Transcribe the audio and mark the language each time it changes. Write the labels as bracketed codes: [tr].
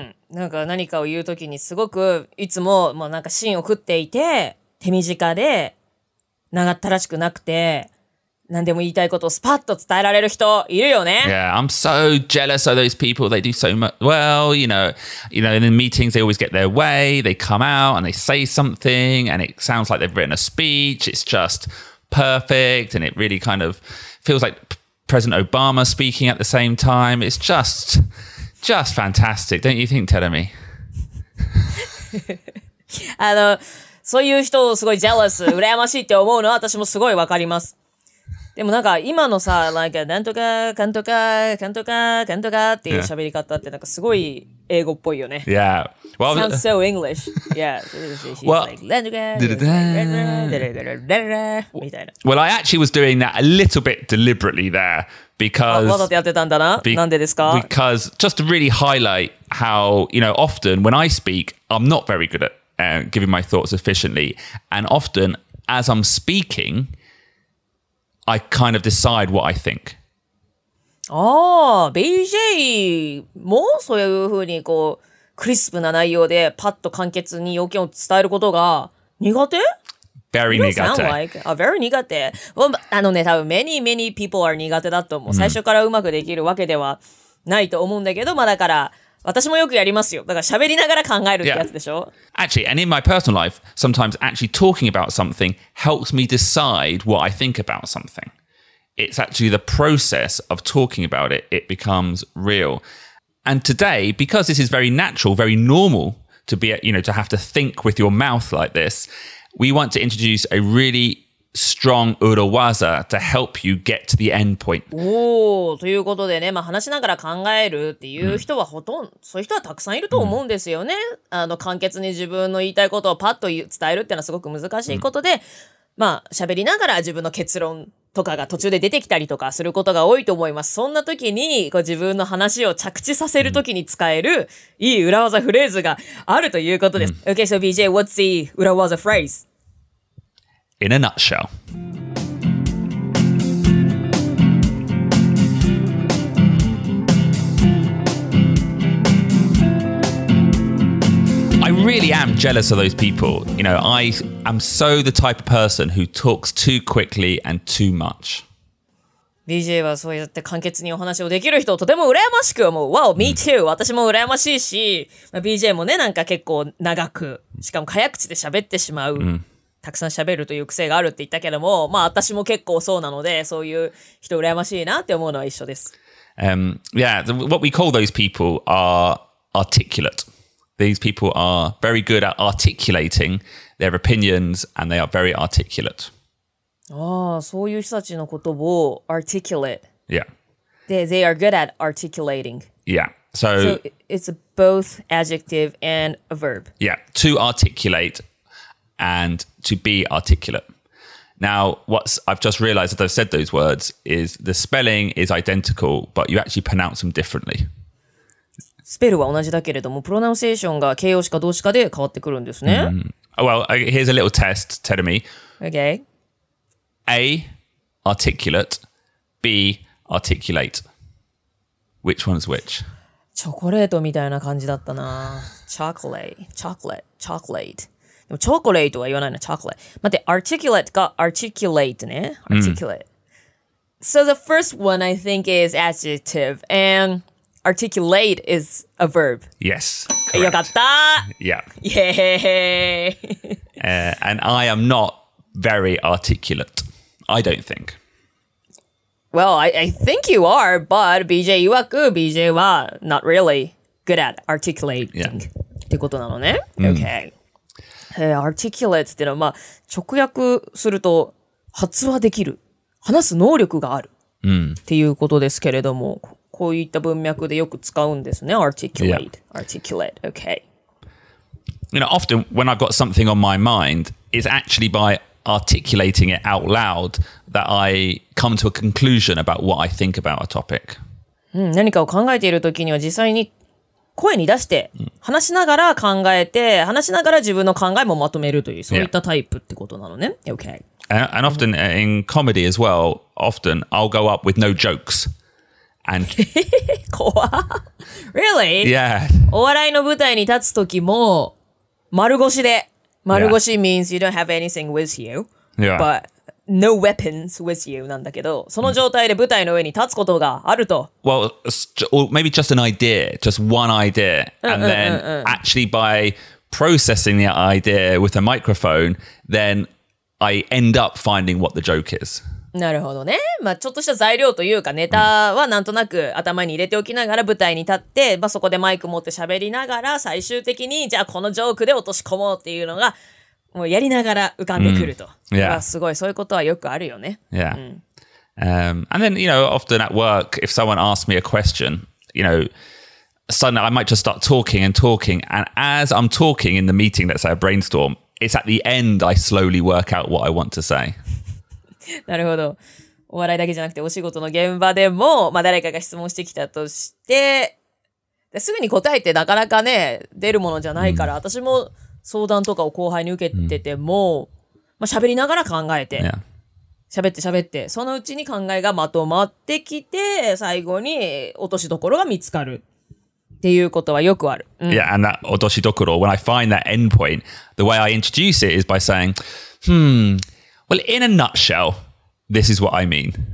[ja] なんか何かを言うときにすごくいつも、まあ、なんか芯を食っていて、手短で、長ったらしくなくて、何でも言いたいことをスパッと伝えられる人いるよね。 [en] Yeah, I'm so jealous of those people. They do so much. Well, you know, in the meetings, they always get their way. They come out and they say something and it sounds like they've written a speech. It's just perfect. And it really kind of feels like President Obama speaking at the same time. It's just fantastic. Don't you think, Terumi? [ja] そういう人をすごい jealous、羨ましいって思うのは私もすごいわかります。でもなんか今のさ、なんかなんとか、かんとか、かんとか、かんとかっていう喋り方ってなんかすごい英語っぽいよね。 [en] Yeah. Well, Sounds so English. Yeah. Well, I actually was doing that a little bit deliberately there because... [ja] わざとやってたんだな。なんでですか? [en] Because just to really highlight how, you know, often when I speak, I'm not very good at giving my thoughts efficiently. And often as I'm speaking... I kind of decide what I think. [ja] Oh, BJ, もうそういう風にこうクリスプな内容でパッと簡潔に要件を伝えることが苦手? [en] Very 苦手. You sound like a very 苦手.Well, [ja] あのね、多分 [en] many people are 苦手 [ja] だと思う。最初からうまくできるわけではないと思うんだけど、まあだから私もよくやりますよ。だから喋りながら考えるってやつでしょ? [en] Yeah. Actually, and in my personal life, sometimes actually talking about something helps me decide what I think about something. It's actually the process of talking about it. It becomes real. And today, because this is very natural, very normal to be, you know, to have to think with your mouth like this, we want to introduce a really strong urawaza to help you get to the end point. [ja] Oh, ということでね、まあ話しながら考えるっていう人はほとんど、そういう人はたくさんいると思うんですよね。簡潔に自分の言いたいことをパッと伝えるっていうのはすごく難しいことで、まあ喋りながら自分の結論とかが途中で出てきたりとかすることが多いと思います。そんな時にこう自分の話を着地させる時に使えるいい urawaza フレーズがあるということです。 [en] Okay, so BJ, what's the urawaza phrase? In a nutshell. I really am jealous of those people. You know, I am so the type of person who talks too quickly and too much. [ja] BJ はそうやって簡潔にお話をできる人をとても羨ましく思う。 [en] Wow, me too. [ja] 私も羨ましいし、BJ もね、なんか結構長く、しかも早口で喋ってしまう。たくさん喋るという癖があるって言ったけども、まあ私も結構そうなので、そういう人羨ましいなって思うのは一緒です。 [en] Yeah, what we call those people are articulate. These people are very good at articulating their opinions and they are very articulate. [ja] ああ、そういう人たちの言葉を articulate. [en] Yeah. They are good at articulating. Yeah. So it's both adjective and a verb. Yeah, to articulate. and to be articulate. Now, what I've just realized as I've said those words is the spelling is identical, but you actually pronounce them differently. [ja] スペルは同じだけれども、プロナウンセーションが形容詞か動詞かで変わってくるんですね。 [en] Mm-hmm. Well, here's a little test, Terumi. Okay. A, articulate. B, articulate. Which one's which? [ja] チョコレートみたいな感じだったな。チョコレート。でもチョコレートは言わないな、チョコレート。待って、articulate か articulate ね。Articulate.、Mm. [en] So the first one I think is adjective, andarticulate is a verb. Yes. [ja] よかった。 [en] Yeah. Yay. And I am not very articulate. I don't think. Well, I think you are, but BJ [ja] いわく [en] BJ は not really good at articulating. [ja] Yeah. ってことなのね。Mm. Okay. Articulate ってのはまあ直訳すると発話できる、話す能力がある、 mm. っていうことですけれども。こういった文脈でよく使うんですね。 [en] Articulate.、Yeah. Articulate. Okay. You know, often when I've got something on my mind, it's actually by articulating it out loud that I come to a conclusion about what I think about a topic.、 [ja] うん、何かを考えているときには実際に声に出して話しながら考えて、話しながら自分の考えもまとめるという、そういったタイプってことなのね。 [en] Yeah. Okay. And often in comedy as well, often I'll go up with no jokes. And [ja] 怖っ [en] Really? Yeah. [ja] お笑いの舞台に立つときも丸腰で丸腰 [en] means you don't have anything with you、 yeah. but no weapons with you [ja] なんだけど、その状態で舞台の上に立つことがあると [en] Well, or maybe just an idea, just one idea and then actually by processing the idea with a microphone then I end up finding what the joke is. [ja] なるほどね。まあ、ちょっとした材料というかネタはなんとなく頭に入れておきながら舞台に立って、まあ、そこでマイク持って喋りながら最終的にじゃあこのジョークで落とし込もうっていうのがもうやりながら浮かんでくると。 [en] Mm. Yeah. [ja] すごい、そういうことはよくあるよね。 [en] Yeah.、And then, you know, often at work, if someone asks me a question, you know, suddenly I might just start talking and talking. And as I'm talking in the meeting, let's say a brainstorm, it's at the end I slowly work out what I want to say. [ja] なるほど。お笑いだけじゃなくてお仕事の現場でも、まあ、誰かが質問してきたとしてすぐに答えってなかなかね出るものじゃないから、mm. 私も相談とかを後輩に受けてても、mm. まあ、喋りながら考えて、 [en] yeah. [ja] 喋って喋ってそのうちに考えがまとまってきて最後に落としどころが見つかるっていうことはよくある、 mm. [en] Yeah, and that 落としどころ When I find that end point The way I introduce it is by saying Well, in a nutshell, this is what I mean.